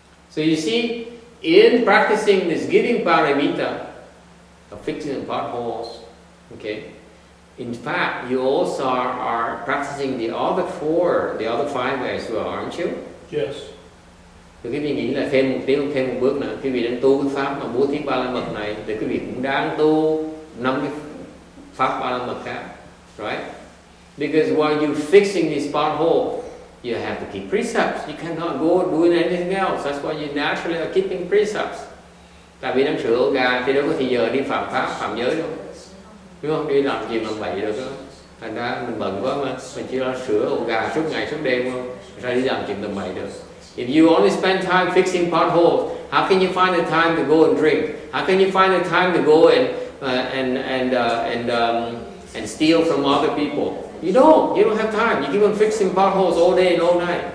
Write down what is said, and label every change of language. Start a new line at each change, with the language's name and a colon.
English: So you see, in practicing this giving paramita, of fixing the potholes, okay, in fact, you also are practicing the other five as well, aren't you? Yes.
Vietnamese: Thì quý vị nghĩ là thêm một tiếng, thêm một bước nữa, quý vị đang tu cái pháp mà bố thí ba la mật này, thì quý vị cũng đang tu năm cái pháp ba la mật khác, right?
English: Because while you're fixing this pothole, you have to keep precepts. You cannot go doing anything else. That's why you naturally are keeping precepts.
Vietnamese: Tại vì đang sửa ổ gà thì đâu có thời giờ đi phạm pháp, phạm giới đâu. Đúng không? Đi làm gì mà bậy được đó. Thành ra mình bận quá mà. Mình chỉ lo sửa ổ gà suốt ngày, suốt đêm thôi. Ra đi làm chuyện tầm bậy được.
English: If you only spend time fixing potholes, how can you find the time to go and drink? How can you find the time to go and steal from other people? You don't have time. You keep on fixing potholes all day and all night.